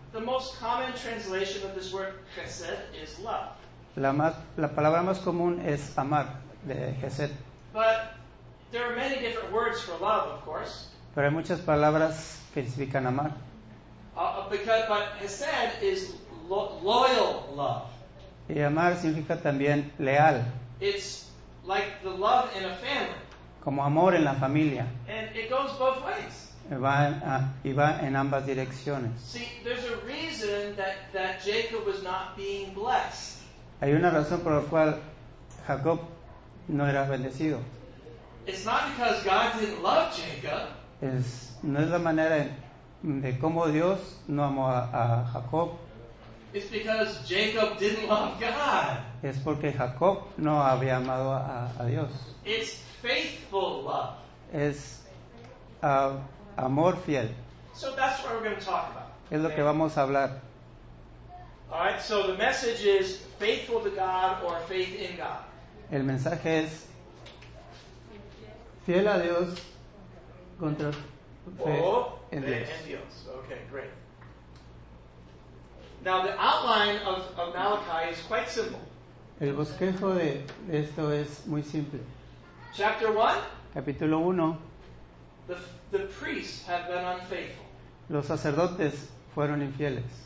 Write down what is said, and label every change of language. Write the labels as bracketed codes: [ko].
[en] The most common translation of this word chesed is love. [es] La palabra más común es amar, de chesed. [en] But there are many different words for love, of course. [es] Pero hay muchas palabras que significan amar. [en] But chesed is loyal love. [es] Y amar significa también leal. [en] It's like the love in a family. [es] Como amor en la familia. [en] And it goes both ways. [es] Y va en ambas direcciones. [en] See, there's a reason that Jacob was not being blessed. [es] Hay una razón por la cual Jacob no era bendecido. [en] It's not because God didn't love Jacob. [es] No es la manera de cómo Dios no amó a Jacob. [en] It's because Jacob didn't love God. [es] Es porque Jacob no había amado a Dios. [en] It's faithful love. [es] Es amor fiel. [en] So that's what we're going to talk about. [es] Es lo que vamos a hablar. [en] All right, so the message is faithful to God or faith in God. [es] El mensaje es fiel a Dios contra fe en Dios. [en] Okay, great. Now the outline of Malachi is quite simple. [es] El bosquejo de esto es muy simple. [en] Chapter 1. [es] capítulo 1, [en] the priests have been unfaithful. [es] Los sacerdotes fueron infieles.